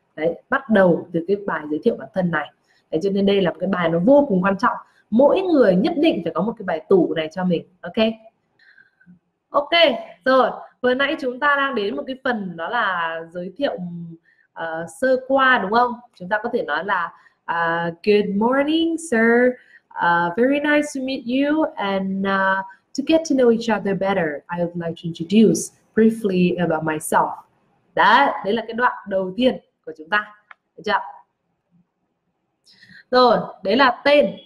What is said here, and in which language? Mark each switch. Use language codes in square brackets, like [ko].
[vi] Đấy, bắt đầu từ cái bài giới thiệu bản thân này. Đấy, cho nên đây là một cái bài nó vô cùng quan trọng, mỗi người nhất định phải có một cái bài tủ này cho mình. Ok, ok rồi, vừa nãy chúng ta đang đến một cái phần đó là giới thiệu sơ qua đúng không. Chúng ta có thể nói là [en] good morning sir, very nice to meet you, and to get to know each other better, I would like to introduce briefly about myself. [vi] Đấy là cái đoạn đầu tiên của chúng ta. Được chưa? Rồi, đấy là tên.